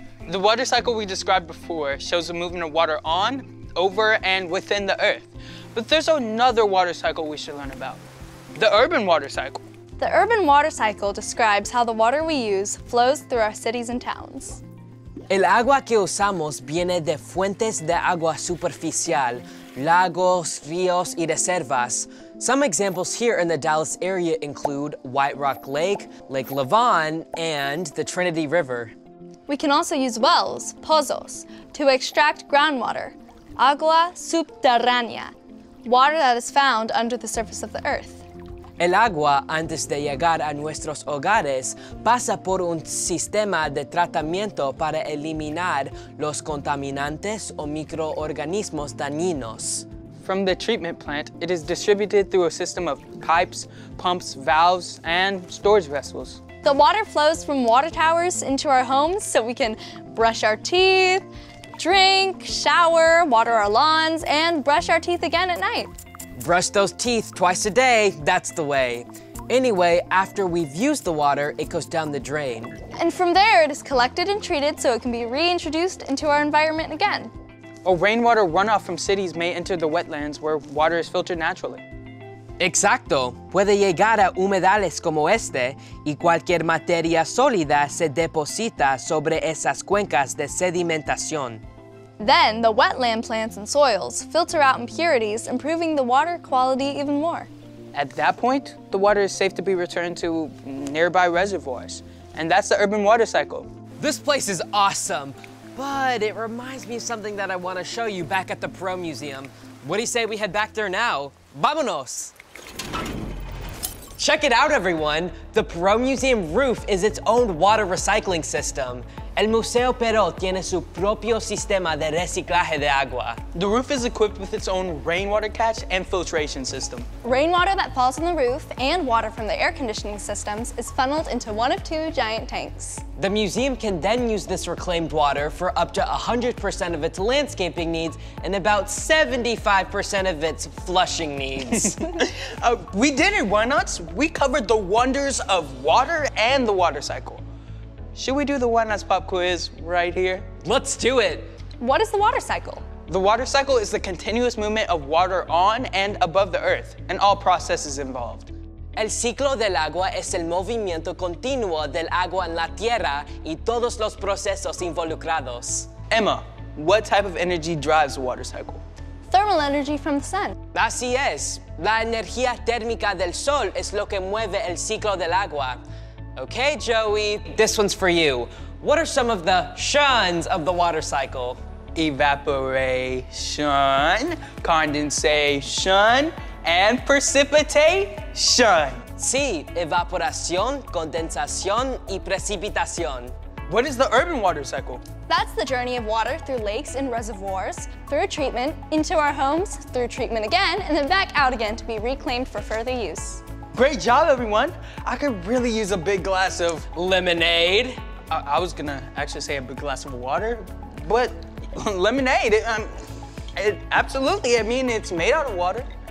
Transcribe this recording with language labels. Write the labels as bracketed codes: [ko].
[en] The water cycle we described before shows the movement of water on, over, and within the earth. But there's another water cycle we should learn about, the urban water cycle. The urban water cycle describes how the water we use flows through our cities and towns. [es] El agua que usamos viene de fuentes de agua superficial, lagos, ríos, y reservas. [en] Some examples here in the Dallas area include White Rock Lake, Lake Levan, and the Trinity River. We can also use wells, pozos, to extract groundwater, agua subterránea, water that is found under the surface of the earth. [es] El agua, antes de llegar a nuestros hogares, pasa por un sistema de tratamiento para eliminar los contaminantes o microorganismos dañinos. [en] From the treatment plant, it is distributed through a system of pipes, pumps, valves, and storage vessels. The water flows from water towers into our homes so we can brush our teeth, drink, shower, water our lawns, and brush our teeth again at night. Brush those teeth twice a day, that's the way. Anyway, after we've used the water, it goes down the drain. And from there, it is collected and treated so it can be reintroduced into our environment again. A rainwater runoff from cities may enter the wetlands where water is filtered naturally. [es] Exacto. Puede llegar a humedales como este, y cualquier materia sólida se deposita sobre esas cuencas de sedimentación. [en] Then, the wetland plants and soils filter out impurities, improving the water quality even more. At that point, the water is safe to be returned to nearby reservoirs, and that's the urban water cycle. This place is awesome, but it reminds me of something that I want to show you back at the Perot Museum. What do you say we head back there now? [es] Vámonos! [en] Check it out, everyone! The Perot Museum roof is its own water recycling system. [es] El Museo Perot tiene su propio sistema de reciclaje de agua. [en] The roof is equipped with its own rainwater catch and filtration system. Rainwater that falls on the roof and water from the air conditioning systems is funneled into one of two giant tanks. The museum can then use this reclaimed water for up to 100% of its landscaping needs and about 75% of its flushing needs. We did it, Whynauts! We covered the wonders of water and the water cycle. Should we do the Whynauts pop quiz right here? Let's do it! What is the water cycle? The water cycle is the continuous movement of water on and above the earth and all processes involved. [es] El ciclo del agua es el movimiento continuo del agua en la tierra y todos los procesos involucrados. [en] Emma, what type of energy drives the water cycle? thermal energy from the sun. [es] Así es. La energía térmica del sol es lo que mueve el ciclo del agua. [en] Okay, Joey, this one's for you. What are some of the shuns of the water cycle? Evaporation, condensation, and precipitation. [es] Sí, evaporación, condensación, y precipitación. [en] What is the urban water cycle? That's the journey of water through lakes and reservoirs, through treatment, into our homes, through treatment again, and then back out again to be reclaimed for further use. Great job, everyone. I could really use a big glass of lemonade. I was gonna actually say a big glass of water, but lemonade, it's made out of water.